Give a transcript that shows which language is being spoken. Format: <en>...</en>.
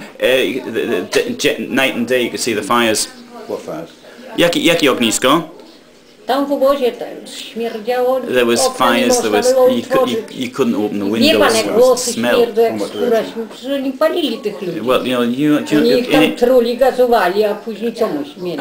<en>Night and day, you can see the fires. What fires?</en> <pl>Jakie ognisko? Tam w obozie śmierdziało.</pl> <en>There was fires, there was, you couldn't open the windows, it was a smell.</en> <pl>Oni palili tych ludzi.</pl> <en>Well, you know,</en> <pl>oni ich tam truli, gazowali, a później co mu śmierdzi.</pl>